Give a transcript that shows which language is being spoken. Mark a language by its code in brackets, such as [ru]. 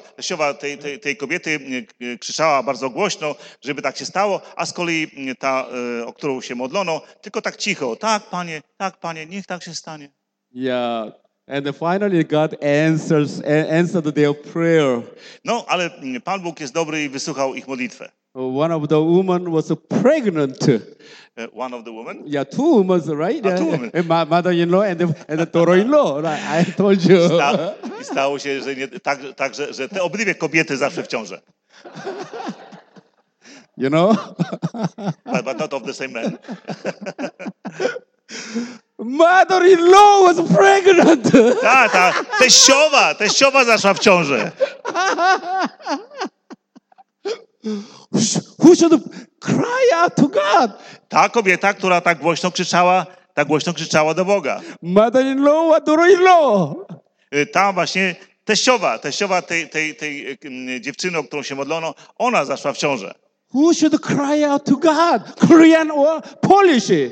[pl] Teściowa tej kobiety krzyczała bardzo głośno, żeby tak się stało, a z kolei ta, o którą się modlono, tylko tak cicho, tak, panie, niech tak się stanie. [en] Yeah. And finally God answered their prayer. [pl] No, ale Pan Bóg jest dobry i wysłuchał ich modlitwę. [en] One of the women was pregnant. One of the women? Yeah, two women, right? Two women. My mother-in-law and the daughter-in-law, right? I told you. [pl] Stało się, że nie, tak, że te obydwie kobiety zawsze w ciąży. [en] You know? but not of the same man. Mother-in-law was pregnant. [pl] Ta teściowa zaszła w ciąży. [en] Who should cry out to God? [pl] Ta kobieta, która tak głośno krzyczała do Boga. [en] Mother-in-law, daughter-in-law. [pl] Ta właśnie teściowa tej dziewczyny, o którą się modlono, ona zaszła w ciąży. [en] Who should cry out to God? Korean or Polish?